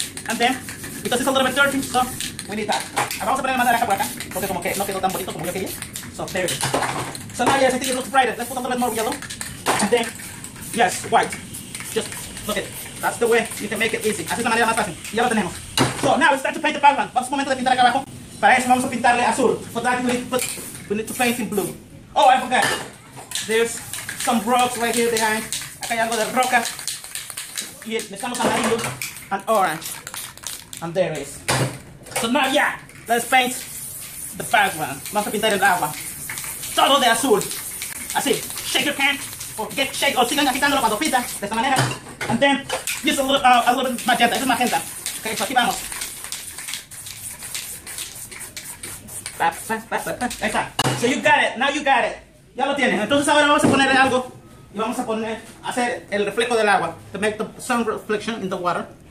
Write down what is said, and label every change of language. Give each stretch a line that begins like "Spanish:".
English: And then, because it's a little bit dirty, so we need that.
Spanish: Vamos a poner la naranja por acá, porque como que no quedó tan bonito como yo quería.
English: So there it is. So now, yes, I think it looks brighter. Let's put a little bit more yellow. And then, yes, white. Just look at it. That's the way you can make it easy.
Spanish: Así es la manera más fácil. Ya lo tenemos.
English: So now it's time to paint the background.
Spanish: Vamos a un momento de pintar acá abajo. Para eso vamos a pintarle azul.
English: For that we need to paint in blue. Oh, I forgot. There's some rocks right here behind.
Spanish: Acá hay algo de roca. Y necesitamos amarillo
English: and orange. And there it is. So now, yeah, let's paint the background.
Spanish: Vamos a pintar el agua. Todo de azul. Así.
English: Shake your can.
Spanish: O sigan agitándolo cuando pita. De esta manera.
English: And then, use a little bit magenta.
Spanish: Eso es magenta. Ok, so aquí vamos. Ahí está.
English: So you got it. Now you got it.
Spanish: Ya lo tienes. Entonces ahora vamos a poner algo. Y vamos a poner, hacer el reflejo del agua.
English: To make the sun reflection in the water.